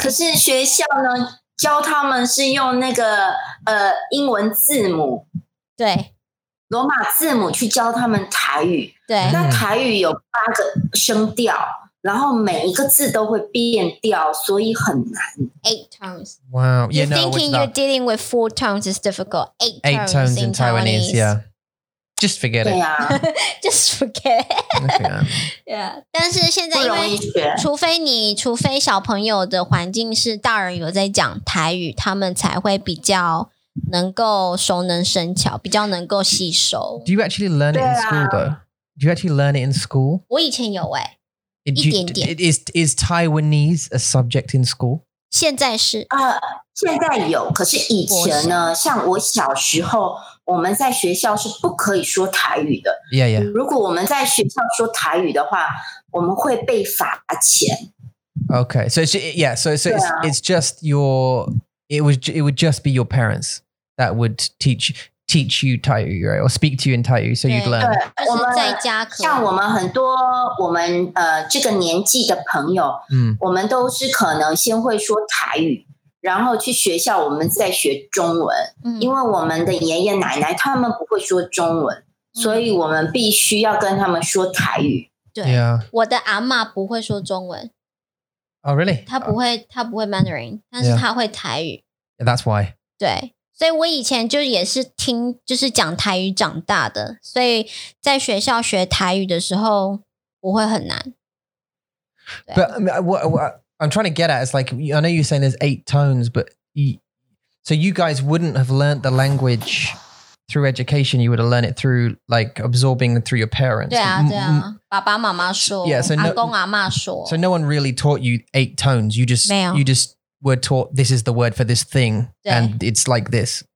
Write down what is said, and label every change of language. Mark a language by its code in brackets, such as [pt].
[zh] 可是学校呢，教他们是用那个英文字母。对。罗马字母去教他们台语。对。那台语有八个声调，然后每一个字都会变调，所以很难。 [en] Eight tones. Wow. You're thinking you're dealing with four tones is difficult. Eight tones in Taiwanese, yeah. Just forget it. Yeah. Just forget it. Yeah. [zh] 但是现在因为除非小朋友的环境是大人有在讲台语，他们才会比较能够熟能生巧，比较能够吸收。 [en] Do you actually learn it in school though? Do you actually learn it in school? [zh] 我以前有欸。一点点。 [en] Is Taiwanese a subject in school? [zh] 现在是。现在有，可是以前呢，像我小时候，我们在学校是不可以说台语的。 [en] Yeah, yeah. [zh] 如果我们在学校说台语的话，我们会被罚钱。 [en] Okay, so it's just your, it would just be your parents that would teach you Thai语, right? Or speak to you in Thai语, so you'd learn. [zh] 对，我们在家可像我们很多我们这个年纪的朋友，我们都是可能先会说台语。然后去学校我们再学中文，因为我们的爷爷奶奶他们不会说中文，所以我们必须要跟他们说台语。对、yeah. 我的阿嬷不会说中文。 [en] Oh, really? [zh] 她不会 Mandarin, 但是她会台语。 [en] Yeah, that's why. [zh] 对，所以我以前就也是听就是讲台语长大的，所以在学校学台语的时候不会很难。 [en] But I mean, I'm trying to get at, it's like, I know you're saying there's eight tones, but so you guys wouldn't have learned the language through education, you would have learned it through like absorbing through your parents. [zh] 对啊对啊，爸爸妈妈说，阿公阿嬷说。 [en] So no one really taught you eight tones, you just were taught this is the word for this thing, and it's like this.